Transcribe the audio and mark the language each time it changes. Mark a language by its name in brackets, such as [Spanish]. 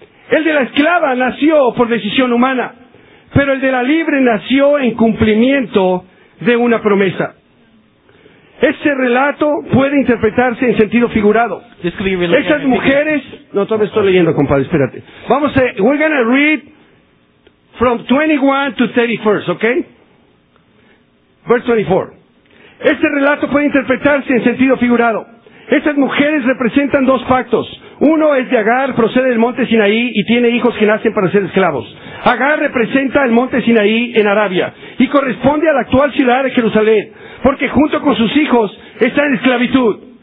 [Spanish] El de la esclava nació por decisión humana, pero el de la libre nació en cumplimiento de una promesa. Este relato puede interpretarse en sentido figurado. Esas mujeres, no, todavía estoy leyendo, compadre, espérate. Vamos a, [English] we're going to read from 21 to 31, okay? Verse 24. [Spanish] Este relato puede interpretarse en sentido figurado. Esas mujeres representan dos pactos. Uno es de Agar, procede del monte Sinaí y tiene hijos que nacen para ser esclavos. Agar representa el monte Sinaí en Arabia y corresponde a la actual ciudad de Jerusalén, porque junto con sus hijos está en esclavitud.